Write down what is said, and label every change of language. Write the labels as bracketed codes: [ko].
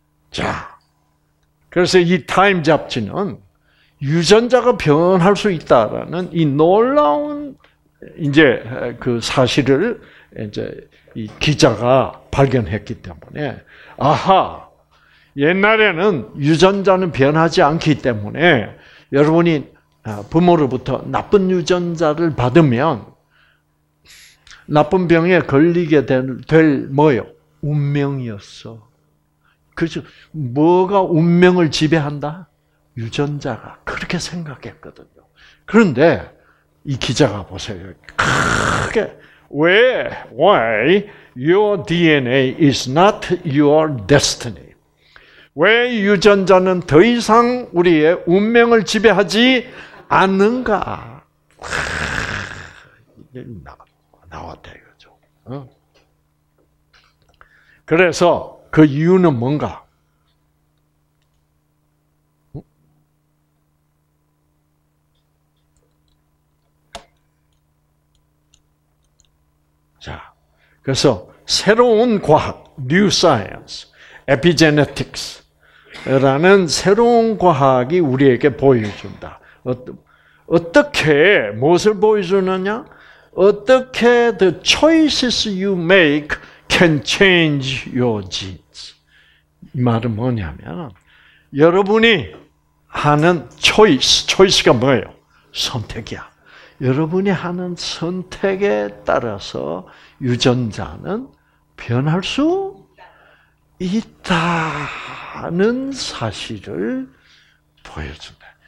[ko] 자, 그래서 이 타임 잡지는 유전자가 변할 수 있다라는 이 놀라운 이제 그 사실을 이제 이 기자가 발견했기 때문에 아하 옛날에는 유전자는 변하지 않기 때문에 여러분이 부모로부터 나쁜 유전자를 받으면 나쁜 병에 걸리게 될 뭐요 운명이었어. 그죠? 뭐가 운명을 지배한다? 유전자가 그렇게 생각했거든요. 그런데 이 기자가 보세요. 크게 [en] Why your DNA is not your destiny? [ko] 왜 유전자는 더 이상 우리의 운명을 지배하지 않는가? 이게 나왔다 이거죠. 그래서 그 이유는 뭔가? 그래서 새로운 과학, [en] New Science, [ko] Epigenetics, 라는 새로운 과학이 우리에게 보여준다. 어떻게, 무엇을 보여주느냐? 어떻게 [en] the choices you make can change your genes. [ko] 이 말은 뭐냐면, 여러분이 하는 choice가 뭐예요? 선택이야. 여러분이 하는 선택에 따라서 유전자는 변할 수 있다는 사실을 보여준다.